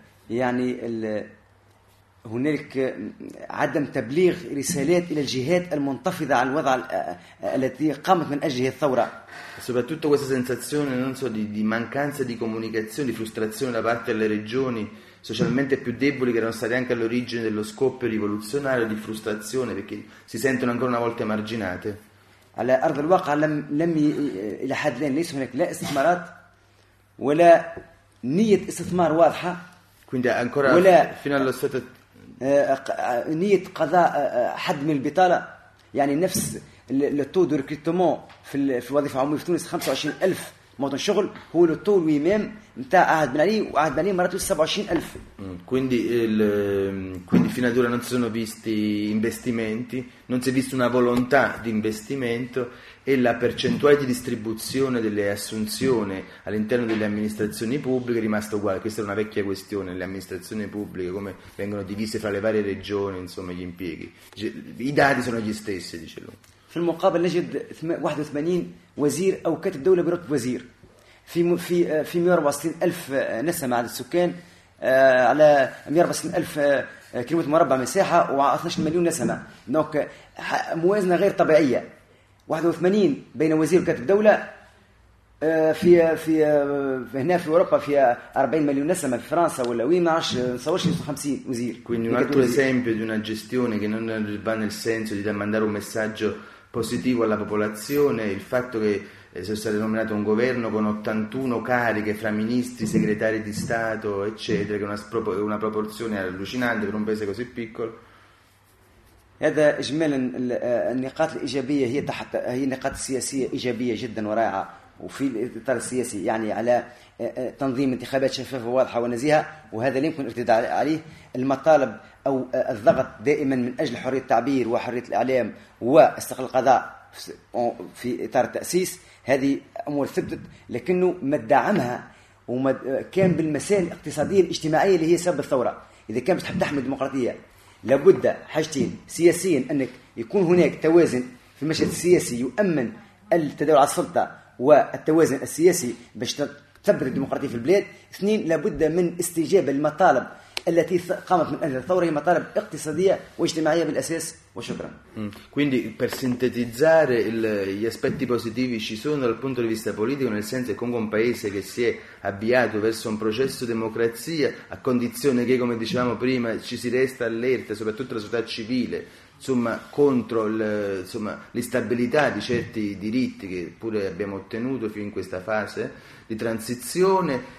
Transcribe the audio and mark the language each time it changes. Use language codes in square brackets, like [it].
[ar] يعني هناك عدم تبليغ رسالات إلى الجهات المنتفضة على الوضع التي قامت من أجله الثورة. [it] Soprattutto questa sensazione non so di mancanza di comunicazione, di frustrazione da parte delle regioni socialmente più deboli, che erano stati anche all'origine dello scoppio rivoluzionario, di frustrazione, perché si sentono ancora una volta emarginate. [ar] على أرض الواقع لم لم ي... إلى حد الآن ليس هناك لا استثمارات ولا نية استثمار واضحة. [it] Quindi ancora ولا fino allo stato... [ar] نية قضاء حد من البطالة يعني نفس التو دو ريكروتمون في الوظيفة العمومية في تونس 25,000 موطن شغل هو التو ميم نتاع عهد بن علي وعهد بن علي مرته 27,000. [it] Quindi fino ad ora non si sono visti investimenti, non si è vista una volontà di investimento e la percentuale di distribuzione delle assunzioni all'interno delle amministrazioni pubbliche è rimasta uguale. Questa è una vecchia questione, le amministrazioni pubbliche come vengono divise fra le varie regioni, insomma gli impieghi. I dati sono gli stessi, dice lui. [ar] في المقابل نجد 81 وزير أو كاتب دولة برتب وزير في 164 ألف نسمة على السكان على 164 ألف كيلومتر مربع مساحة و 12 مليون نسمة دونك موازنة غير طبيعية 81 بين وزير وكاتب دولة في هنا في اوروبا في 40 مليون نسمه في فرنسا ولا وين معش نصورش 50 وزير. [it] Quindi un altro esempio di una gestione che non va nel senso di mandare un messaggio positivo alla popolazione, il fatto che sia stato nominato un governo con 81 cariche fra ministri, segretari di Stato, eccetera, che è una proporzione allucinante per un paese così piccolo. [ar] هذا اجمالا النقاط الايجابيه هي تحت هي نقاط سياسيه ايجابيه جدا ورائعه وفي الاطار السياسي يعني على تنظيم انتخابات شفافه واضحه ونزيهه وهذا لا يمكن الارتداء عليه. المطالب أو الضغط دائما من أجل حرية التعبير وحرية الإعلام واستقلال القضاء في إطار التأسيس هذه أمور ثبتت لكنه ما دعمها وما كان بالمسائل الاقتصادية الاجتماعية اللي هي سبب الثورة. إذا كان بتحب تحمي الديمقراطية لابد حاجتين سياسيا أنك يكون هناك توازن في المشهد السياسي يؤمن التداول على السلطة والتوازن السياسي باش تثبت الديمقراطية في البلاد. اثنين لابد من استجابة المطالب التي قامت من أجل الثورة هي مطالب اقتصادية واجتماعية بالأساس وشكرا. [it] Quindi per sintetizzare gli aspetti positivi ci sono dal punto di vista politico, nel senso che comunque un paese che si è avviato verso un processo di democrazia a condizione che, come dicevamo prima, ci si resta allerta, soprattutto la società civile, insomma, contro l'instabilità di certi diritti che pure abbiamo ottenuto fin in questa fase di transizione.